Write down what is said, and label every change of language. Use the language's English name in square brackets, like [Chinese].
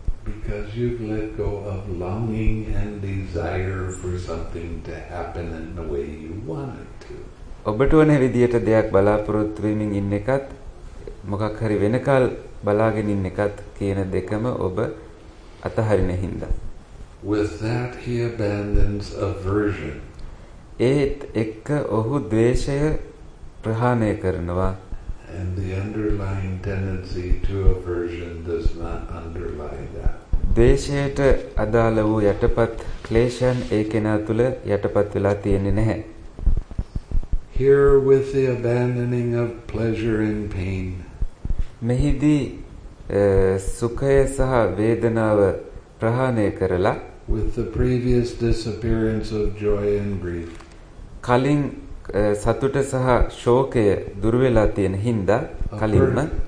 [English] Because you've let go of longing and desire for something to happen in the way you want it to. [Sinhala] ඔබට ඕනේ විදියට දෙයක් බලාපොරොත්තු වෙමින් ඉන්න එකත් මොකක් හරි වෙනකල් බලාගෙන ඉන්න එකත් කියන දෙකම ඔබ අතහරින හින්දා. [English] With that he abandons aversion. [Sinhala] ඒත් එක්ක ඔහු ද්වේෂය ප්‍රහාණය කරනවා. [English] And the underlying tendency to aversion does not underlie that. [Sinhala] ද්වේෂයට අදාළ වූ යටපත් ක්ලේශයන් ඒ කෙනා තුළ යටපත් වෙලා තියෙන්නේ නැහැ. [English] Here with the abandoning of pleasure and pain. [Sinhala] Mehidi sukhaya saha vedanava prahane karala. [English] With the previous disappearance of joy and grief. [Sinhala] Kalin satuta saha shokaya durvela tiyena hinda kalinma.